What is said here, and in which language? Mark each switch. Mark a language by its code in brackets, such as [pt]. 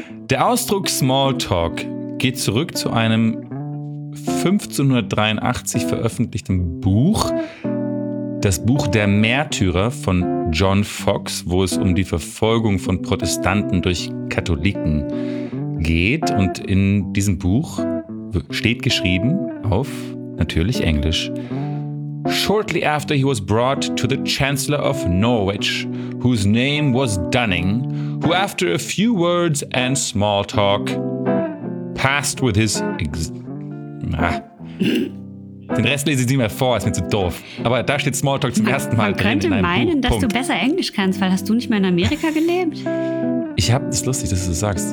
[de] Der Ausdruck Smalltalk geht zurück zu einem 1583 veröffentlichten Buch, das Buch Der Märtyrer von John Fox, wo es um die Verfolgung von Protestanten durch Katholiken geht. Und in diesem Buch steht geschrieben auf natürlich Englisch: [en] Shortly after he was brought to the Chancellor of Norwich, whose name was Dunning, who after a few words and small talk, passed with his [de] Den Rest lese ich nicht mehr vor, ist mir zu doof. Aber da steht Smalltalk zum ersten Mal drin. Man könnte in einem meinen, Buch. Dass du besser Englisch kannst, weil hast du nicht mehr in Amerika gelebt? Ich hab, das ist lustig, dass du das sagst.